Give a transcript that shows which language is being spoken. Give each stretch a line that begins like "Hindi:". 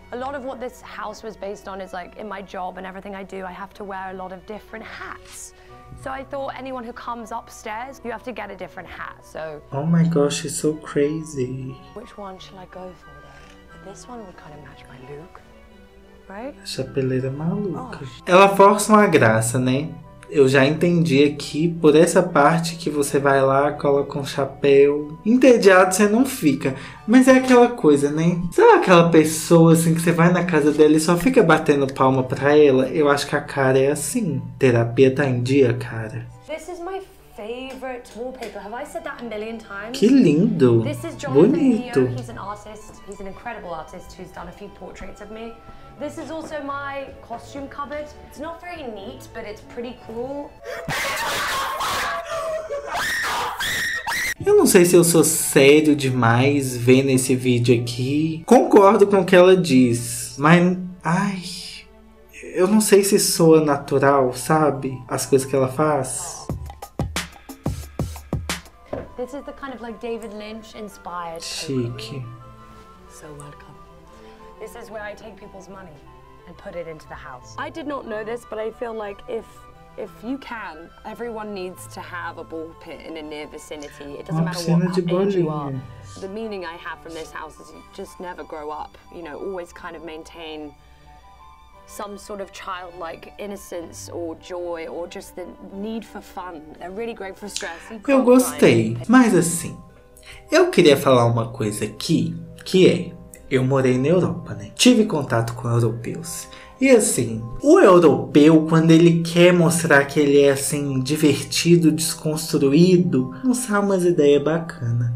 English: A lot of what this house was based on is like in my job and everything I do, I have to wear a lot of different hats. So I thought anyone who comes upstairs, you have to get a different hat. So oh my gosh, it's so crazy. Which one should I go for though? This one would kind of match my look. Right?
Portuguese: A chapeleira maluca. Oh. Ela força uma graça, né? Eu já entendi aqui, por essa parte que você vai lá, coloca um chapéu. Entediado você não fica. Mas é aquela coisa, né? Sabe aquela pessoa, assim, que você vai na casa dela e só fica batendo palma pra ela? Eu acho que a cara é assim. Terapia tá em dia, cara.
English: This is my favorite wallpaper. Have I said that a million times?
Portuguese: Que lindo.
English: This is Jonathan Leo. He's an artist. He's an incredible artist who's done a few portraits of me. This is also my costume cupboard. It's not very neat, but it's pretty cool.
Portuguese: Eu não sei se eu sou sério demais vendo esse vídeo aqui. Concordo com o que ela diz, mas ai, eu não sei se soa natural, sabe? As coisas que ela faz.
English: This is the kind of like David Lynch inspired.
Portuguese: Chique.
English: So welcome. This is where I take people's money and put it into the house. I did not know this, but I feel like if you can, everyone needs to have a ball pit in a near vicinity. It doesn't matter what age you are. The meaning I have from this house is you just never grow up. You know, always kind of maintain some sort of childlike innocence or joy or just the need for fun. They're really great for stress.
Portuguese: Eu gostei, mas assim, eu queria falar uma coisa aqui, que é, eu morei na Europa, né? Tive contato com europeus. E assim, o europeu, quando ele quer mostrar que ele é, assim, divertido, desconstruído, não sai umas ideias bacanas.